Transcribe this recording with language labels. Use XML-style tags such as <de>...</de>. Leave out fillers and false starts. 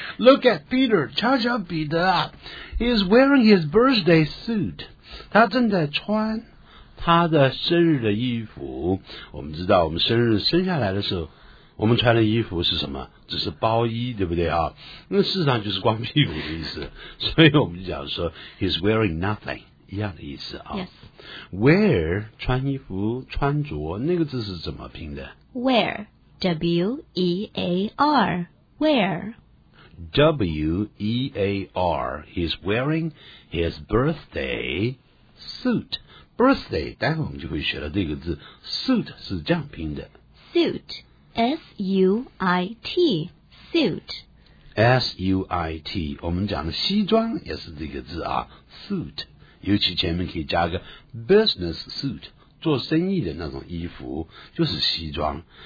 <en>Look at Peter,</en> <zh>瞧瞧彼得啊。</zh> <en>He's wearing his birthday suit.</en> <zh>他正在穿他的生日的衣服。我们知道我们生日生下来的时候我们穿的衣服是什么？只是包衣，对不对啊？那事实上就是光屁股的意思。所以我们就讲说 ,</zh> <en>he's wearing nothing,</en> <zh>一样的意思啊。</zh> <en>Yes.</en> <zh>Wear, 穿衣服穿着，那个字是怎么拼的？</zh> <en>Wear, W-E-A-R, wear. W-E-A-R, he's wearing his birthday suit.</en> <zh>Birthday, 待会我们就会学到这个字 ,suit 是这样拼的。</zh> <en>Suit. S-U-I-T, suit.</en> <zh>S-U-I-T, 我们讲的西装也是这个字啊 ,suit, 尤其前面可以加个 business suit, 做生意的那种衣服就是西装。</zh>